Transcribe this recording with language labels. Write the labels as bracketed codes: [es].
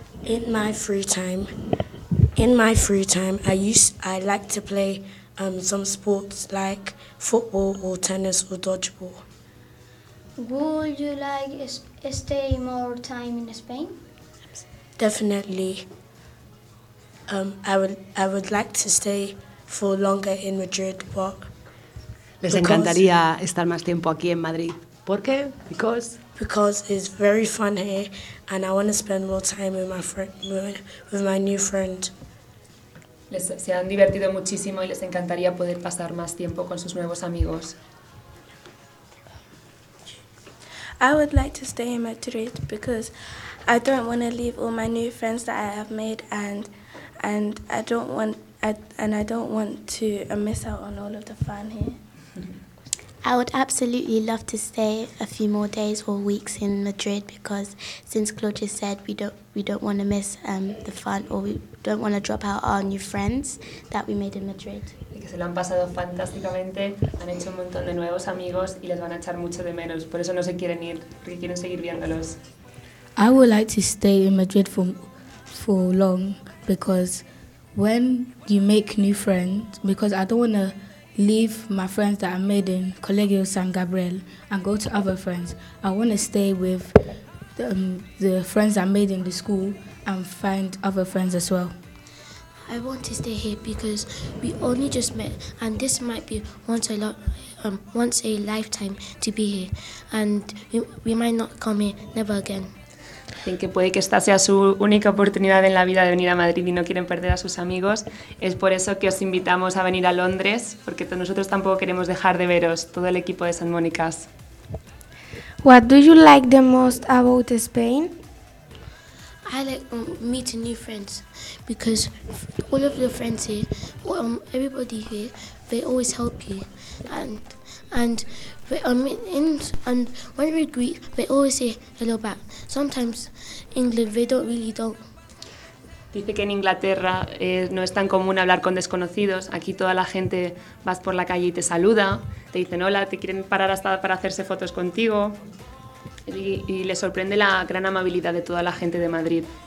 [en] In my free time, I like to play some sports like football or tennis or dodgeball. Would you like stay more time in Spain? Definitely. I would like to stay for longer in Madrid, but [es] les encantaría estar más tiempo aquí en Madrid. ¿Por qué? [en] Because it's very fun here and I want to spend more time with my new friend. [es] Se han divertido muchísimo y les encantaría poder pasar más tiempo con sus nuevos amigos. [en] I would like to stay in Madrid because I don't want to leave all my new friends that I have made and I don't want to miss out on all of the fun here. I would absolutely love to stay a few more days or weeks in Madrid because since Claudia said we don't want to miss the fun or we don't want to drop out our new friends that we made in Madrid. [es] Y que se lo han pasado fantásticamente, han hecho un montón de nuevos amigos y les van a echar mucho de menos, por eso no se quieren ir, porque quieren seguir viéndolos. [en] I would like to stay in Madrid for long because when you make new friends, because I don't want to leave my friends that I made in Colegio San Gabriel and go to other friends. I want to stay with the friends I made in the school and find other friends as well. I want to stay here because we only just met and this might be once a lifetime to be here and we might not come here never again. [es] Dicen que puede que esta sea su única oportunidad en la vida de venir a Madrid y no quieren perder a sus amigos. Es por eso que os invitamos a venir a Londres, porque nosotros tampoco queremos dejar de veros, todo el equipo de San Mónicas. [en] What do you like the most about Spain? I like meeting new friends, because all of your friends here, everybody here, they always help you. And when we greet, they always say hello back. Sometimes in England, they don't really don't. [es] Dice que en Inglaterra no es tan común hablar con desconocidos. Aquí toda la gente vas por la calle y te saluda, te dicen hola, te quieren parar hasta para hacerse fotos contigo. Y le sorprende la gran amabilidad de toda la gente de Madrid.